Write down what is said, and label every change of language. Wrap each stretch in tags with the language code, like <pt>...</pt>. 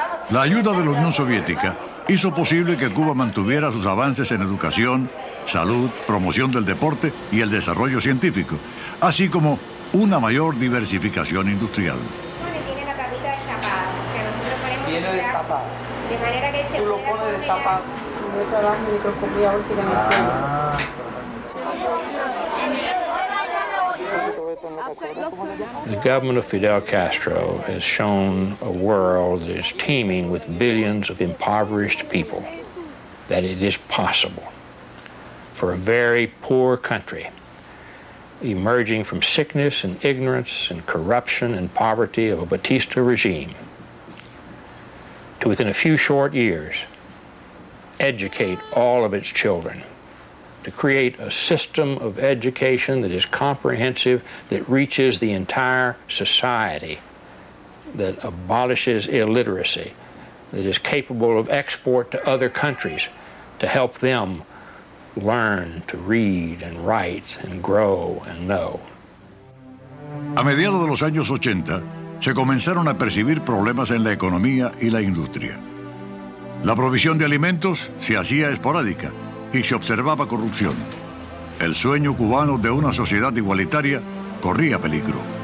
<es>La ayuda de la Unión Soviética hizo posible que Cuba mantuviera sus avances en educación, salud, promoción del deporte y el desarrollo científico, así como una mayor diversificación industrial. Tiene la tapita destapada. O sea, nosotros ponemos... Viene destapada. De manera que... Tú lo pones destapado. Yo trabajo en microscopía óptica en el centro.</es> <en>The government of Fidel Castro has shown a world that is teeming with billions of impoverished people that it is possible for a very poor country emerging from sickness and ignorance and corruption and poverty of a Batista regime to within a few short years educate all of its children, to create a system of education that is comprehensive, that reaches the entire society, that abolishes illiteracy, that is capable of export to other countries to help them learn to read and write and grow and know.</en> <es>A mediados de los años 80, se comenzaron a percibir problemas en la economía y la industria. La provisión de alimentos se hacía esporádica y se observaba corrupción. El sueño cubano de una sociedad igualitaria corría peligro.</es>